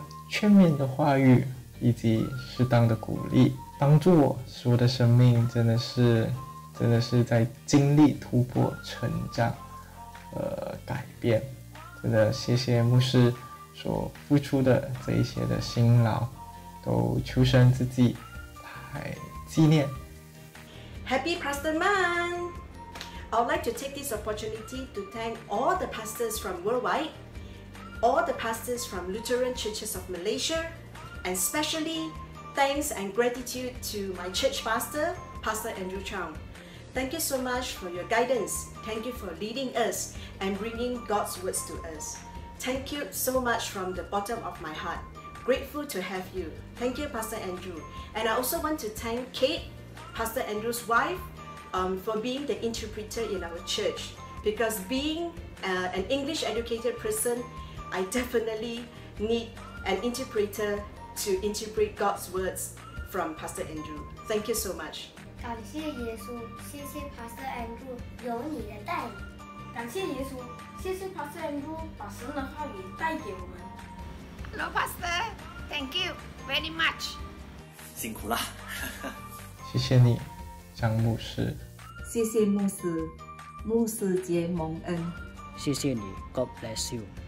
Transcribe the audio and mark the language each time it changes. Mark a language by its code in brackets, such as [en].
[zh] 劝勉的话语以及适当的鼓励，帮助我使我的生命真的是在经历突破成长改变，真的谢谢牧师所付出的这一些的辛劳，都求神自己来纪念。 [en] Happy Pastor Month! I would like to take this opportunity to thank all the pastors from worldwide, all the pastors from Lutheran Churches of Malaysia, and especially thanks and gratitude to my church pastor, Pastor Andrew Chong. Thank you so much for your guidance. Thank you for leading us and bringing God's words to us. Thank you so much from the bottom of my heart. Grateful to have you. Thank you, Pastor Andrew. And I also want to thank Kate, Pastor Andrew's wife, for being the interpreter in our church. Because being an English educated person, I definitely need an interpreter to interpret God's words from Pastor Andrew. Thank you so much. [zh] 感谢耶稣，谢谢 Pastor Andrew 有你的带领。感谢耶稣，谢谢 Pastor Andrew 把神的话语带给我们。 [en] Hello Pastor, thank you very much. [zh] 辛苦了。谢谢你。张牧师，谢谢牧师，牧师节蒙恩，谢谢你 ， [en] God bless you，